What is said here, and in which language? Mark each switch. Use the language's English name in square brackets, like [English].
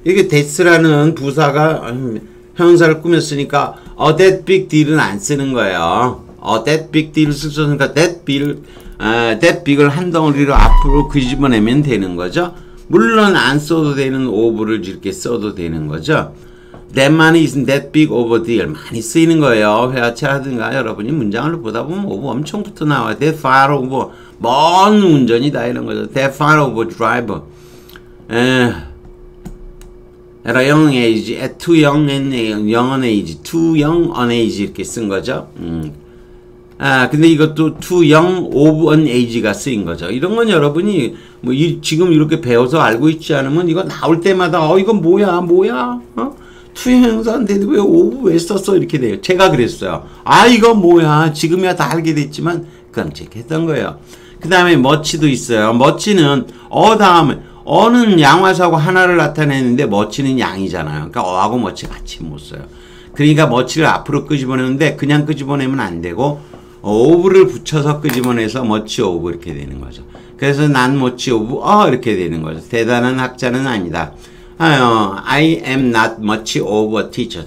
[Korean] 이게 that's라는 부사가 형용사를 꾸몄으니까 [English] a that big deal [Korean] 은 안 쓰는 거예요. a that big deal을 쓰셨으니까 that big을 한 덩어리로 앞으로 끄집어내면 되는 거죠. 물론 안 써도 되는 of를 이렇게 써도 되는 거죠. [English] That money isn't that big of a deal. [Korean] 많이 쓰이는 거예요. 회화체라든가 여러분이 문장을 보다 보면 of 엄청 붙어 나와요. That far of, 먼 운전이다 이런 거죠. [English] That far of a driver. At a young age, at too young an age, too young an age [Korean] 이렇게 쓴 거죠. 아, 근데 이것도 [English] too young of an age [Korean] 가 쓰인 거죠. 이런 건 여러분이 뭐 지금 이렇게 배워서 알고 있지 않으면 이거 나올 때마다 이건 뭐야, 뭐야? 투영사한테도 왜 오브 왜 썼어? 이렇게 돼요. 제가 그랬어요. 아, 이거 뭐야. 지금이야 다 알게 됐지만 끔찍했던 거예요. 그 다음에 머치도 있어요. 머치는 어 다음에 어는 양화사고 하나를 나타내는데 머치는 양이잖아요. 그러니까 어하고 머치 같이 못 써요. 그러니까 머치를 앞으로 끄집어내는데 그냥 끄집어내면 안 되고 오브를 붙여서 끄집어내서 머치 오브 이렇게 되는 거죠. 그래서 난 머치 오브 이렇게 되는 거죠. 대단한 학자는 아니다. [English] I am not much of a teacher.